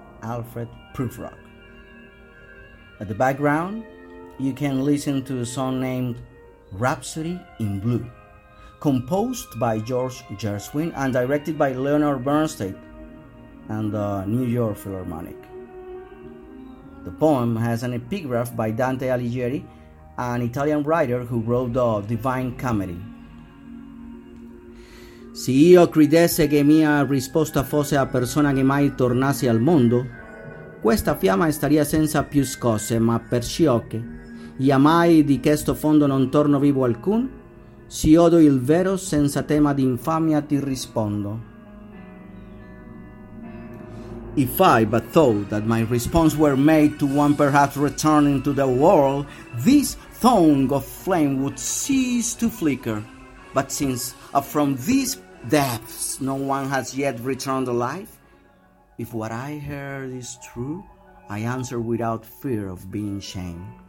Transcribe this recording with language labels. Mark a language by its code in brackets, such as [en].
[en] Alfred Prufrock. At the background, you can listen to a song named Rhapsody in Blue, composed by George Gershwin and directed by Leonard Bernstein and the New York Philharmonic. The poem has an epigraph by Dante Alighieri, an Italian writer who wrote the Divine Comedy. [it] Si io credesse che mia risposta fosse a persona che mai tornasse al mondo, questa fiamma staria senza più scosse, ma per ciò che io mai di questo fondo non torno vivo alcun, si odo il vero senza tema d'infamia ti rispondo. [en] If I but thought that my response were made to one perhaps returning to the world, this thong of flame would cease to flicker. But since from these depths no one has yet returned alive, if what I heard is true, I answer without fear of being shamed.